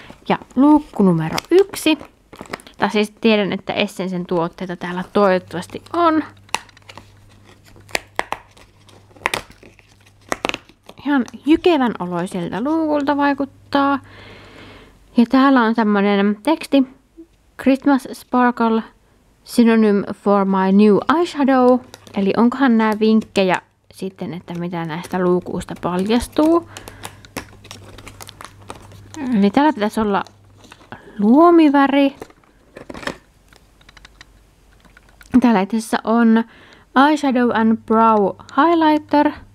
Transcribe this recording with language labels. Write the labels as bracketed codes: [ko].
[fi] Ja luukku numero 1. Tai siis tiedän, että Essensen tuotteita täällä toivottavasti on. Ihan jykevän oloiselta luukulta vaikuttaa. Ja täällä on tämmönen teksti. [en] Christmas Sparkle, synonym for my new eyeshadow. [fi] Eli onkohan nää vinkkejä sitten, että mitä näistä luukuista paljastuu. Eli täällä pitäisi olla luomiväri. Täällä itse on Eyeshadow and Brow Highlighter.